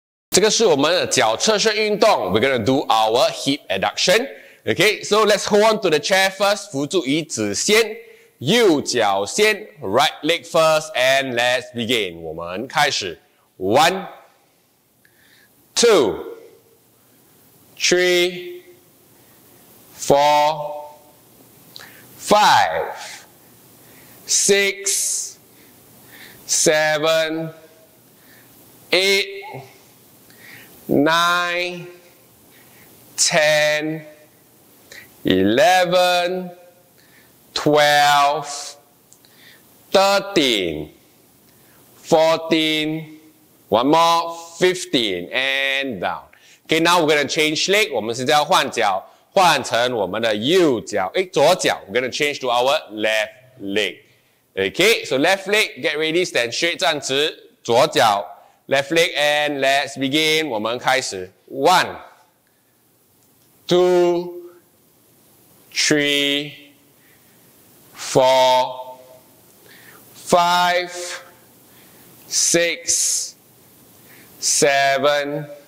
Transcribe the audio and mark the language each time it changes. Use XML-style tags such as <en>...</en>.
<zh>这个是我们的脚侧身运动。</zh> <en>We're gonna do our hip adduction. Okay, so let's hold on to the chair first.</en> <zh>扶住椅子先。右脚先。</zh> <en>Right leg first. And let's begin.</en> <zh>我们开始。</zh> <en>One, two, three, four, five, six,Seven, eight, nine, ten, 11, 12, 13, 14, one more, 15, and down. Okay, now we're going to change leg.</en> <zh>我们现在要换脚，换成我们的右脚，诶，左脚。</zh> <en>We're going to change to our left leg. Okay, so left leg, get ready, stand straight,</en> <zh>站直左脚</zh> <en>left leg, and let's begin,</en> <zh>我们开始</zh> <en>One, two, three, four, five, six, seven,</en>